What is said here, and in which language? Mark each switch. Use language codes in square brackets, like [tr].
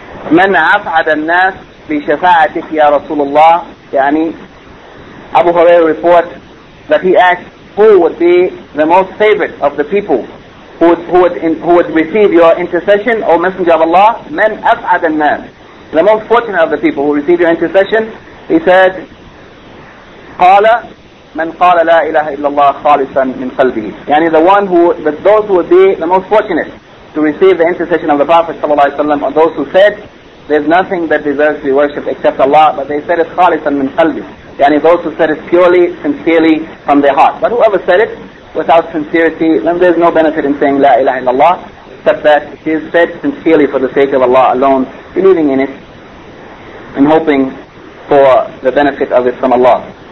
[ar] مَنْ أَفْعَدَ النَّاسِ بِشَفَاعَتِكِ يَا رَسُولُ اللَّهِ. يعني [en] Abu Hurairah reports that he asked who would be the most favored of the people who would receive your intercession, O Messenger of Allah. [ar] Man أسعد الناس, [en] the most fortunate of the people who receive your intercession. He said, [ar] قال من قال لا إله إلا الله خالصا من قلبه. [en] Yani the one who, that those who would be the most fortunate to receive the intercession of the Prophet صلى الله عليه وسلم, are those who said, there's nothing that deserves to be worshipped except Allah, but they said it [ar] خالصا من قلبه. [en] Yani those who said it purely, sincerely from their heart. But whoever said it without sincerity, then there's no benefit in saying [ar] La ilaha illallah, [en] except that it is said sincerely for the sake of Allah alone, believing in it and hoping for the benefit of it from Allah.